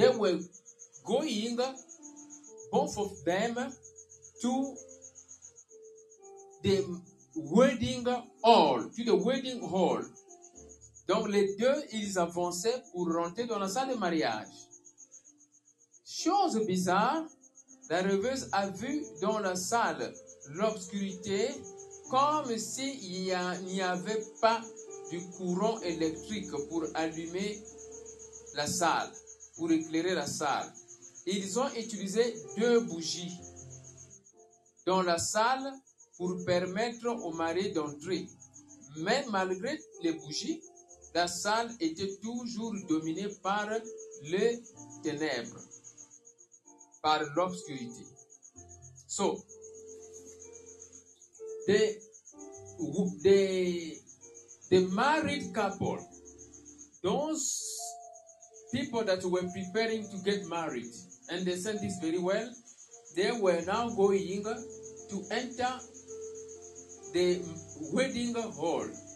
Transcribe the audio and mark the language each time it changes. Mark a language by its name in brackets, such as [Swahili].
[English] They were going, both of them, to the wedding hall. To the wedding hall. [French] Donc les deux, ils avançaient pour rentrer dans la salle de mariage. Chose bizarre, la rêveuse a vu dans la salle l'obscurité comme s'il n'y avait pas du courant électrique pour allumer la salle. pour éclairer la salle. Ils ont utilisé deux bougies dans la salle pour permettre au mari d'entrer. Mais malgré les bougies, la salle était toujours dominée par les ténèbres, par l'obscurité. [English] So, the married couple, those people that were preparing to get married, and they said this very well, they were now going to enter the wedding hall.